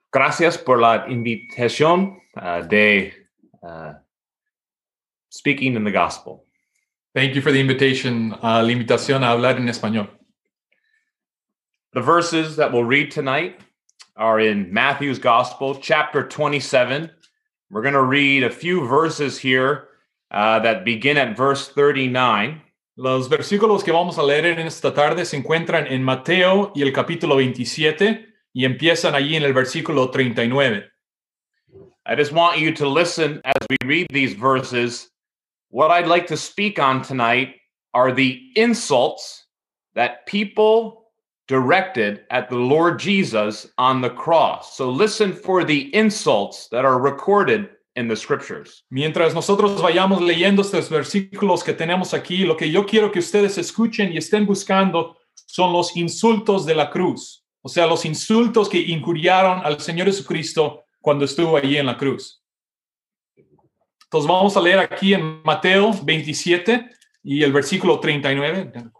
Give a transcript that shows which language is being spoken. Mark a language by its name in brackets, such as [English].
[Spanish] gracias por la invitación de [English] speaking in the gospel. Thank you for the invitation, [Spanish] la invitación a hablar en español. [English] The verses that we'll read tonight are in Matthew's gospel, chapter 27. We're going to read a few verses here that begin at verse 39. [Spanish] Los versículos que vamos a leer en esta tarde se encuentran en Mateo y el capítulo 27 y empiezan allí en el versículo 39. [English] I just want you to listen as we read these verses. What I'd like to speak on tonight are the insults that people directed at the Lord Jesus on the cross. So listen for the insults that are recorded in the scriptures. [Spanish] Mientras nosotros vayamos leyendo estos versículos que tenemos aquí, lo que yo quiero que ustedes escuchen y estén buscando son los insultos de la cruz. O sea, los insultos que injuriaron al Señor Jesucristo cuando estuvo allí en la cruz. Entonces vamos a leer aquí en Mateo 27 y el versículo 39.